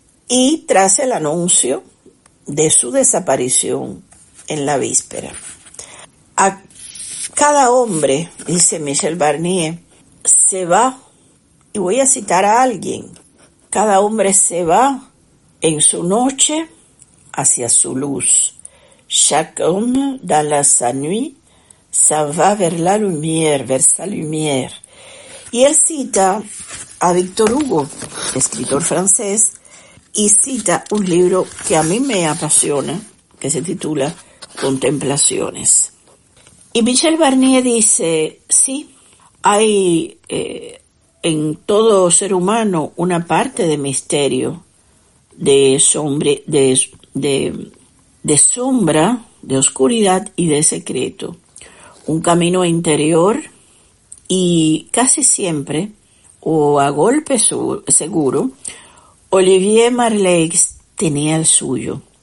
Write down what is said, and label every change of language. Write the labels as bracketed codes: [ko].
[es] Y tras el anuncio de su desaparición en la víspera, a cada hombre, dice Michel Barnier, se va, y voy a citar a alguien, cada hombre se va en su noche hacia su luz. [fr] Chaque homme dans la sa nuit s'en va vers la lumière, vers sa lumière. [es] Y él cita a Victor Hugo, escritor francés, y cita un libro que a mí me apasiona, que se titula Contemplaciones. Y Michel Barnier dice, sí, hay en todo ser humano una parte de misterio, de sombra, de sombra, de oscuridad y de secreto, un camino interior y casi siempre, o a golpe seguro, Olivier Marleix tenía el suyo.